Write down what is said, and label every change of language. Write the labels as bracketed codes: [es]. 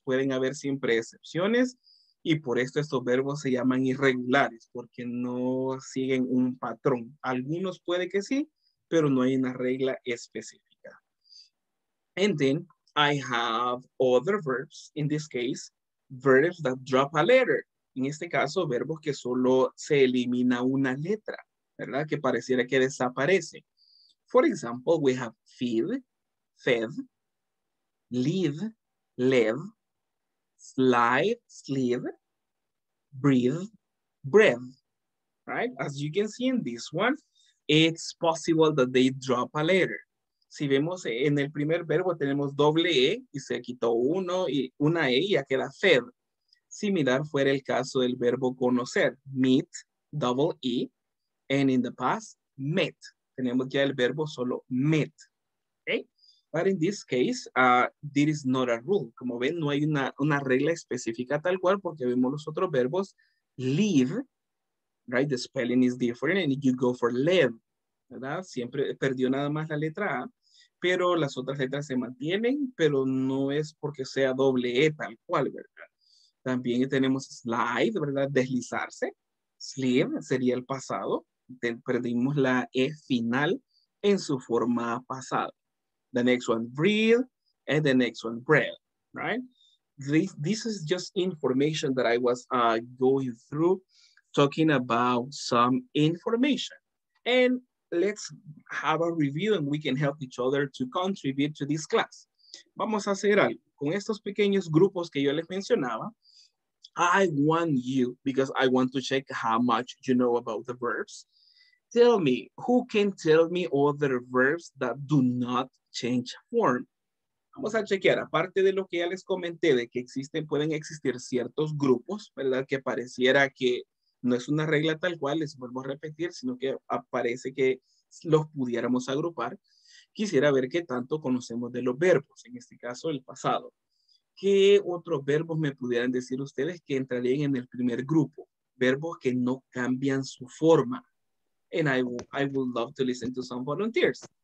[es] Pueden haber siempre excepciones y por esto estos verbos se llaman irregulares, porque no siguen un patrón. Algunos puede que sí, pero no hay una regla específica. [en] And then, I have other verbs, in this case, verbs that drop a letter. [es] En este caso, verbos que solo se elimina una letra, ¿verdad? Que pareciera que desaparece. [en] For example, we have feed, fed, lead, led, slide, slid, breathe, breath. Right? As you can see in this one, it's possible that they drop a letter. [es] Si vemos en el primer verbo, tenemos doble E y se quitó uno y una E y ya queda fed. Similar fuera el caso del verbo conocer, [en] meet, double E, and in the past, met. [es] Tenemos ya el verbo solo met, okay? [en] But in this case, this is not a rule. [es] Como ven, no hay una regla específica tal cual porque vemos los otros verbos, leave, right? [en] The spelling is different and you go for live, [es] ¿verdad? Siempre perdió nada más la letra A, pero las otras letras se mantienen, pero no es porque sea doble E tal cual, ¿verdad? También tenemos slide, ¿verdad? Deslizarse. Slid sería el pasado. Perdimos la E final en su forma pasada. [en] The next one, breathe. And the next one, breath. Right? This is just information that I was going through, talking about some information. And let's have a review and we can help each other to contribute to this class. [es] Vamos a hacer algo. Con estos pequeños grupos que yo les mencionaba, [en] I want you, because I want to check how much you know about the verbs. Tell me, who can tell me other verbs that do not change form? [es] Vamos a chequear, aparte de lo que ya les comenté, de que existen, pueden existir ciertos grupos, ¿verdad? Que pareciera que no es una regla tal cual, les vuelvo a repetir, sino que parece que los pudiéramos agrupar. Quisiera ver qué tanto conocemos de los verbos, en este caso el pasado. ¿Qué otros verbos me pudieran decir ustedes que entrarían en el primer grupo? Verbos que no cambian su forma. [en] And I would love to listen to some volunteers.